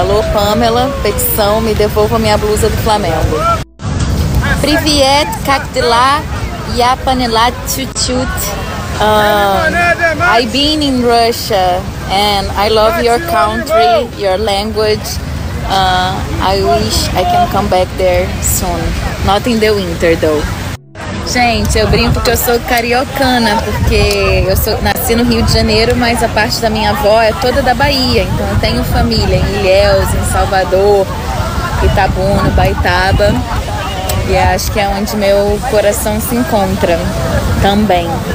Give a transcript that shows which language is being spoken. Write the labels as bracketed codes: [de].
[pt] Alô, Pamela, petição, me devolva minha blusa do Flamengo. Privet, Cactila, Yapanila, Tchutchut. [en] I've been in Russia and I love your country, your language. I wish I can come back there soon. Not in the winter, though. [pt] Gente, eu brinco que eu sou cariocana, porque eu nasci no Rio de Janeiro, mas a parte da minha avó é toda da Bahia. Então eu tenho família em Ilhéus, em Salvador, Itabuna, Baitaba. E acho que é onde meu coração se encontra também.